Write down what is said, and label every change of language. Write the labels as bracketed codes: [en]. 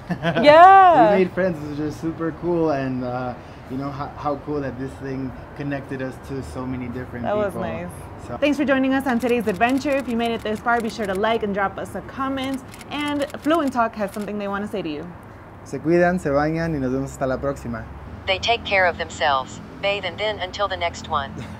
[en] Yeah! We made friends, which is super cool. And you know how cool that this thing connected us to so many different people. That was nice. So. Thanks for joining us on today's adventure. If you made it this far, be sure to like and drop us a comment. And Fluent Talk has something they want to say to you. [es] Se cuidan, se bañan, y nos vemos hasta la próxima. [en] They take care of themselves. Bathe and then until the next one.